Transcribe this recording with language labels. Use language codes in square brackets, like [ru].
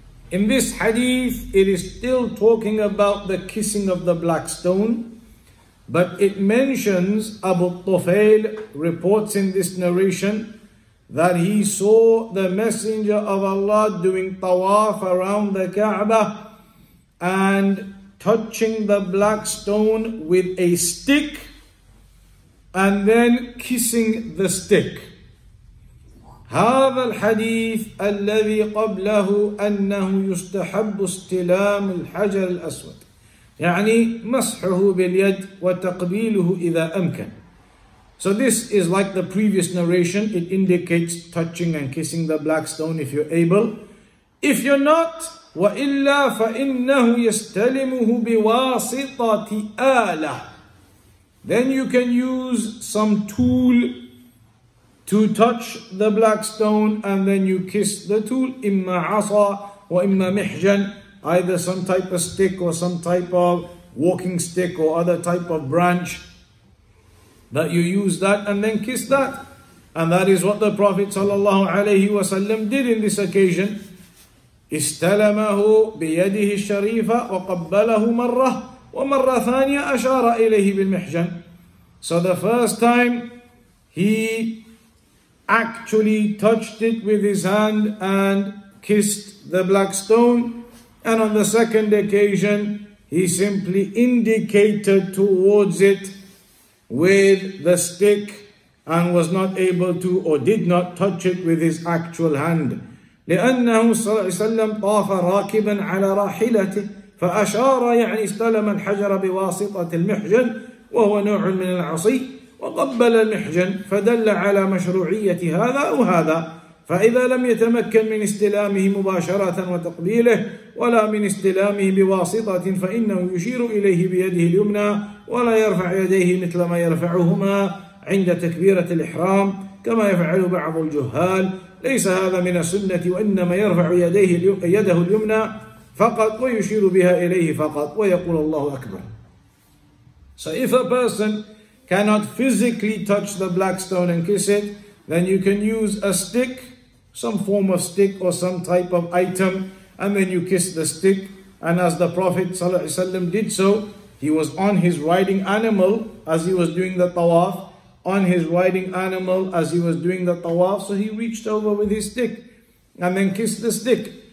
[en] In this hadith, it is still talking about the kissing of the black stone, but it mentions Abu Tufail reports in this narration that he saw the Messenger of Allah doing tawaf around the Kaaba and touching the black stone with a stick and then kissing the stick. [ar] هذا الحديث الذي قبله أنه يستحب استلام الحجر الأسود يعني مسحه باليد وتقبيله إذا أمكن. [en] So this is like the previous narration. It indicates touching and kissing the black stone if you're able. If you're not, [ar] وإلا فإنه يستلمه بواسطة آلة. [en] Then you can use some tool to touch the black stone and then you kiss the tool. [ar] إما عصا وإما محجن. [en] Either some type of stick or some type of walking stick or other type of branch, that you use that and then kiss that. And that is what the Prophet sallallahu alayhi wa sallam did in this occasion. [ar] استلمه بيده الشريفة وقبله مرة ومرة ثانية أشار إليه بالمحجن. [en] So the first time he actually touched it with his hand and kissed the black stone, and on the second occasion he simply indicated towards it with the stick and was not able to or did not touch it with his actual hand. [ar] لأنه صلى الله عليه وسلم طاف راكبا على راحلته فأشار يعني استلم الحجر بواسطة المحجن وهو نوع من العصي وقبل المحجن فدل على مشروعية هذا أو هذا. فإذا لم يتمكن من استلامه مباشرة وتقبيله ولا من استلامه بواسطة فإنه يشير إليه بيده اليمنى ولا يرفع يديه مثل ما يرفعهما عند تكبيرة الإحرام كما يفعل بعض الجهال. ليس هذا من السنة وإنما يرفع يده اليمنى فقط ويشير بها إليه فقط ويقول الله أكبر. [en] So if a person cannot physically touch the black stone and kiss it, then you can use a stick, some form of stick or some type of item, and then you kiss the stick. And as the Prophet ﷺ did so, he was on his riding animal as he was doing the tawaf, so he reached over with his stick and then kissed the stick.